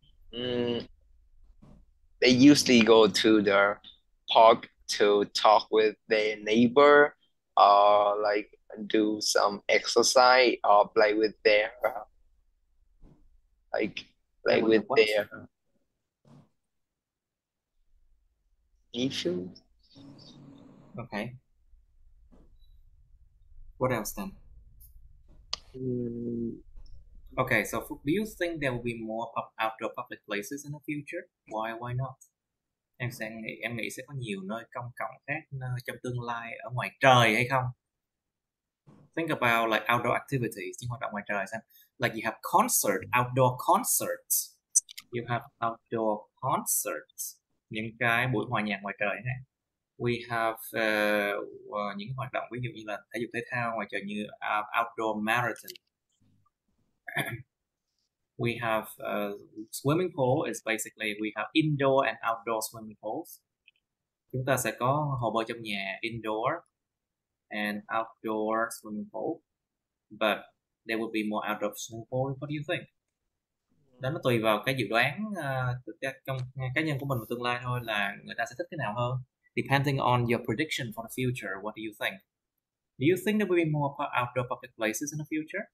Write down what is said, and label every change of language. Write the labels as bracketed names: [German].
[English] They usually go to the park to talk with their neighbor or like do some exercise or play with their like with their issues. Okay. What else then? Okay, so do you think there will be more outdoor public places in the future? Why not? [Vietnamese] Em nghĩ sẽ có nhiều nơi công cộng khác trong tương lai ở ngoài trời hay không? [English] Think about like outdoor activities, [Vietnamese] những hoạt động ngoài trời xem. [English] Like you have concert, outdoor concerts. You have outdoor concerts. [Vietnamese] Những cái buổi hòa nhạc ngoài trời này. [English] We have [Vietnamese] những hoạt động ví dụ như là thể dục thể thao ngoài trời như [English] outdoor marathon. We have swimming pool is basically we have indoor and outdoor swimming pools. [Vietnamese] Chúng ta sẽ có hồ bơi trong nhà, [English] indoor and outdoor swimming pool. But there will be more outdoor swimming pool. What do you think? [Vietnamese] Đó nó tùy vào cái dự đoán trong cá nhân của mình vào tương lai thôi, là người ta sẽ thích cái nào hơn. [English] Depending on your prediction for the future, what do you think? Do you think there will be more outdoor public places in the future?